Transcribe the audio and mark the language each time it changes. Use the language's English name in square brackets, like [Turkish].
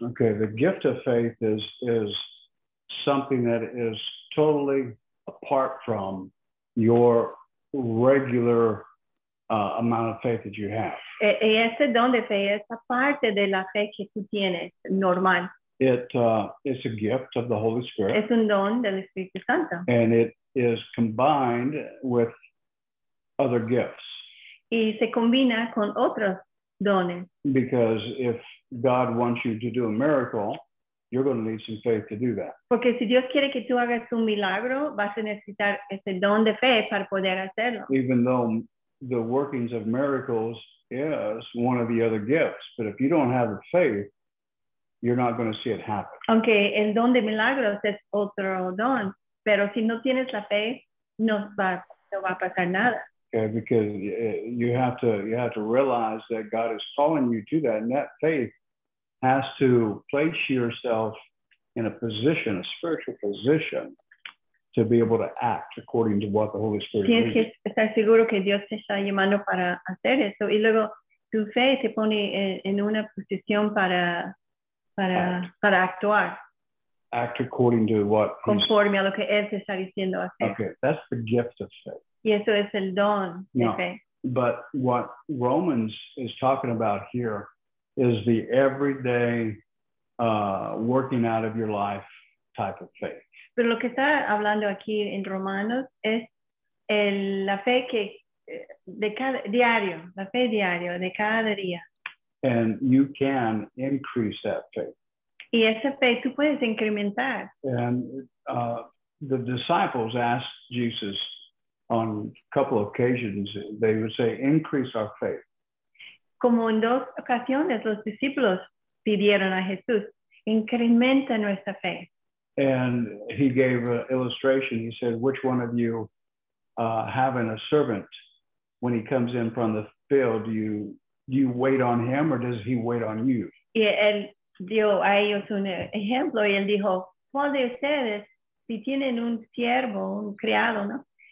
[English] Okay, the gift of faith is something that is totally apart from your regular amount of faith that you have. [Spanish] Y ese don de fe es aparte de la fe que tú tienes normal. [English] It's a gift of the Holy Spirit. [Spanish] Es un don del Espíritu Santo. [English] And it is combined with other gifts. [Spanish] Y se combina con otros dones. [English] Because if God wants you to do a miracle, you're going to need some faith to do that. [Spanish] Porque si Dios quiere que tú hagas un milagro, vas a necesitar ese don de fe para poder hacerlo. [English] Even though the workings of miracles is one of the other gifts, but if you don't have the faith, you're not going to see it happen. [Spanish] Aunque el don de milagros es otro don, pero si no tienes la fe, no va a pasar nada. [English] Okay, because you have to realize that God is calling you to that, and that faith has to place yourself in a position, a spiritual position, to be able to act according to what the Holy Spirit needs. [Spanish] Tienes que estar seguro que Dios te está llamando para hacer eso, y luego tu fe te pone en una posición para actuar. [English] Act according to what. [Spanish] Conforme a lo que Él te está diciendo hacer. [English] Okay, that's the gift of faith. [Spanish] Y eso es el don de fe. [English] But what Romans is talking about here is the everyday working out of your life type of faith. [Spanish] Pero lo que está hablando aquí en Romanos es la fe que la fe diario de cada día. [English] And you can increase that faith. [Spanish] Y esa fe tú puedes incrementar. [English] And the disciples asked Jesus on a couple of occasions, they would say, increase our faith. [Spanish] Como en dos ocasiones, los discípulos pidieron a Jesús, incrementa nuestra fe. [English] And he gave an illustration. He said, which one of you having a servant, when he comes in from the field, do you wait on him or does he wait on you? [Spanish] Y él dio a ellos un ejemplo y él dijo, ¿cuál de ustedes, si tienen un siervo, un criado, no?